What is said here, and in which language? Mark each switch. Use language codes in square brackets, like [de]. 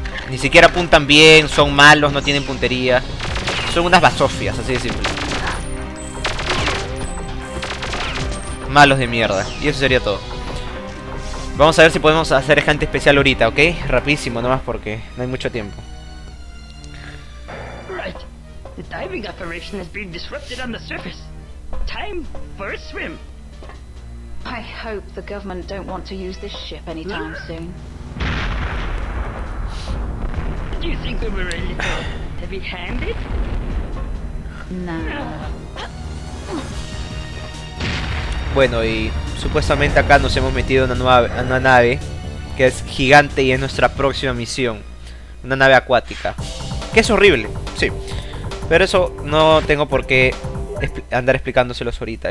[es] Ni siquiera apuntan bien, son malos, no tienen puntería. Son unas basofias, así de simple. Malos de mierda. Y eso sería todo. Vamos a ver si podemos hacer gente especial ahorita, ¿ok? Rapidísimo nomás porque no hay mucho tiempo. [en] The diving operation has been disrupted on the surface. Time for a swim. I hope the government don't want to use this ship anytime soon. Do you think we were a little heavy-handed? No. [es] Bueno, y supuestamente acá nos hemos metido en una nave que es gigante y es nuestra próxima misión. Una nave acuática. Que es horrible, sí. Pero eso no tengo por qué andar explicándoselos ahorita.